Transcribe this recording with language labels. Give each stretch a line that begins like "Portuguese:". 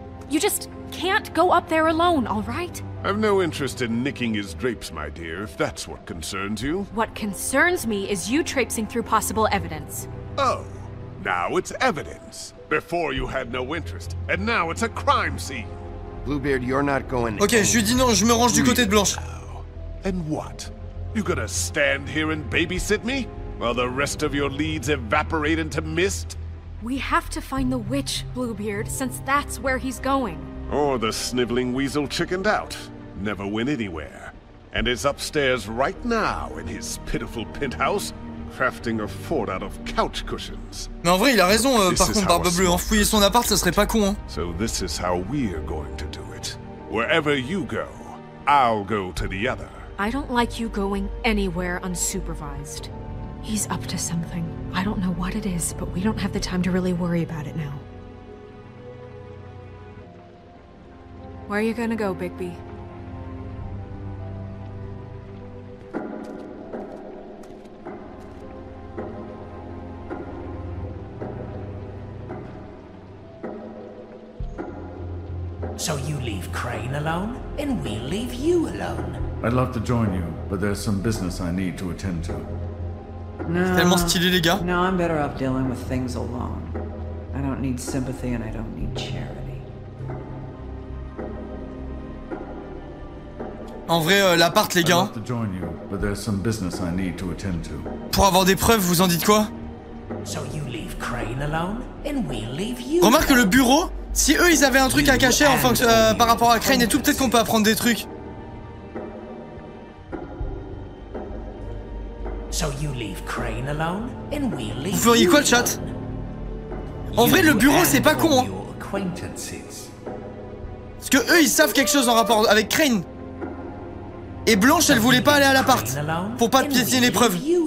English: You just can't go up there alone, all right? I've no interest in nicking his drapes, my dear, if that's what concerns you. What concerns me is you traipsing through possible evidence. Oh, now it's evidence. Before you had no interest, and now it's a crime scene. Bluebeard, you're not going...
French: Okay, je lui dis non, je me range du côté de Blanche.
English: And what? You gonna stand here and babysit me? While the rest of your leads evaporate into mist? We have to find the witch, Bluebeard, since that's where he's going. Or the sniveling weasel chickened out. Never went anywhere. And is upstairs right now in his pitiful penthouse, crafting a fort out of couch cushions.
French: Mais en vrai, il a raison, par contre, Barbe Bleue, enfouiller son appart, ça serait pas con, hein.
English: So this is how we're going to do it. Wherever you go, I'll go to the other. I don't like you going anywhere unsupervised. He's up to something. I don't know what it is, but we don't have the time to really worry about it now. Where are you gonna go, Bigby? So you leave Crane alone, and we'll leave you alone. I'd love to join you, but there's some business I need to attend to. No,
French: tellement stylé, les gars.
English: No, I'm better off dealing with things alone. I don't need sympathy and I don't need charity.
French: En vrai, l'appart, les gars.
English: I'd love to join you, but there's some business I need to attend to.
French: Pour avoir des preuves, vous en dites quoi?
English: So you leave Crane alone, and we'll leave you.
French: Remarque que le bureau, si eux ils avaient un truc à cacher, enfin par rapport à Crane et tout, peut-être qu'on peut apprendre des trucs.
English: So you leave Crane alone, and we'll leave.
French: Vous feriez quoi, le chat? En vrai, le bureau, c'est pas con, hein. Parce que eux, ils savent quelque chose en rapport avec Crane. Et Blanche, elle voulait pas aller à l'appart pour pas piétiner les preuves.